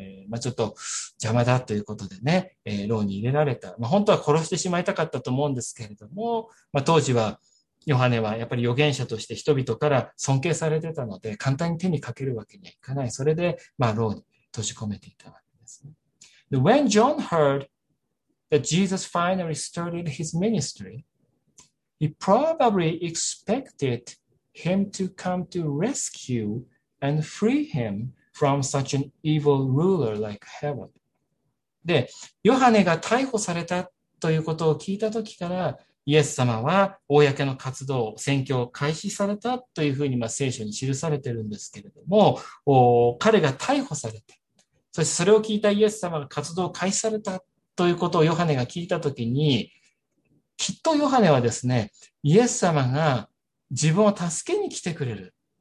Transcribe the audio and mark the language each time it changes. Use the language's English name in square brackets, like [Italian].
[Japanese] まあ、ちょっと邪魔だということでね、牢に入れられた。まあ、本当は殺してしまいたかったと思うんですけれども、まあ、当時は、ヨハネはやっぱり預言者として人々から尊敬されてたので、簡単に手にかけるわけにはいかない。それで、まあ、牢に閉じ込めていたわけですね。 [English] When John heard that Jesus finally started his ministry,He probably expected him to come to rescue and free him from such an evil ruler like Herod. [Japanese] で、ヨハネが逮捕されたということを聞いたときから、イエス様は公の活動、宣教を開始されたというふうに、まあ、聖書に記されているんですけれども、彼が逮捕されて、そしてそれを聞いたイエス様が活動を開始されたということをヨハネが聞いたときに、きっとヨハネはですね、イエス様が自分を助けに来てくれる。